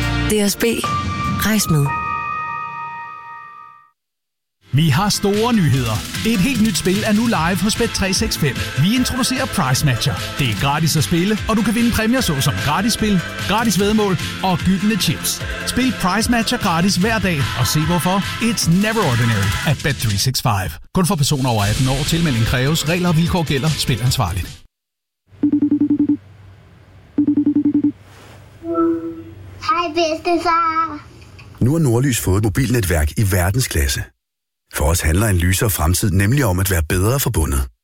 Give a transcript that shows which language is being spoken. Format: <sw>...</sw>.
<da>DSB. Rejs med. Vi har store nyheder. Et helt nyt spil er nu live hos Bet365. Vi introducerer Prize Matcher. Det er gratis at spille, og du kan vinde præmier såsom gratis spil, gratis væddemål og gyldne chips. Spil Prize Matcher gratis hver dag og se hvorfor.</da> <en>It's never ordinary at Bet365.</en> <da>Kun for personer over 18 år. Tilmelding kræves. Regler og vilkår gælder. Spil ansvarligt. Hej, bedstefar. Nu har Nordlys fået et mobilnetværk i verdensklasse. For os handler en lysere fremtid nemlig om at være bedre forbundet.</da>